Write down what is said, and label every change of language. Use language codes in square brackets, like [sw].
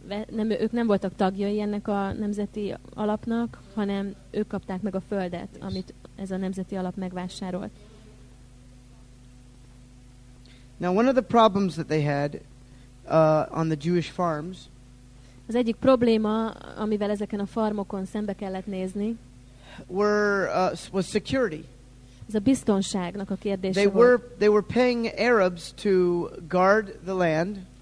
[hu] Nem ők voltak tagjai ennek a nemzeti alapnak, hanem ők kapták meg a földet, yes, amit ez a nemzeti alap megvásárolt. [en] Now one of the problems that they had on the Jewish farms. [hu] Az egyik probléma, amivel ezeken a farmokon szembe kellett nézni, [en] was security. [hu] Ez a biztonságnak a kérdése. [en] They were paying Arabs to guard the land.